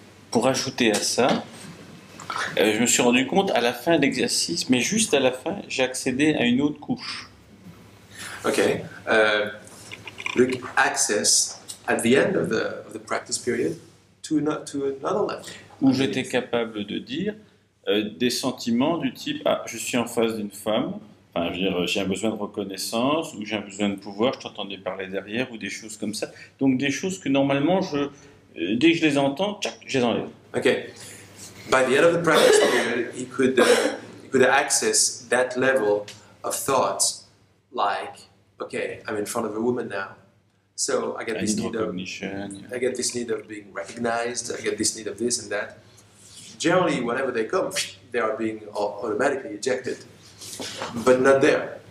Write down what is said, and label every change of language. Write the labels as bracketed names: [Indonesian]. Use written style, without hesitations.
[French] Pour ajouter à ça, je me suis rendu compte à la fin de l'exercice, mais juste à la fin, j'ai accédé à une autre couche. Ok. [English] Luke access at the end of the practice period to another level. [French] Où j'étais capable de dire des sentiments du type ah, je suis en face d'une femme. Enfin, je veux dire, j'ai un besoin de reconnaissance ou j'ai un besoin de pouvoir, je t'entendais parler derrière ou des choses comme ça. Donc des choses que normalement, dès que je les entends, tchac, je les enlève. Ok. [English] By the end of the practice period, he could access that level of thoughts like, ok, I'm in front of a woman now. So I get this need of recognition. I get this need of being recognized. I get this need of this and that. Generally, whenever they come, they are being automatically ejected. But not there.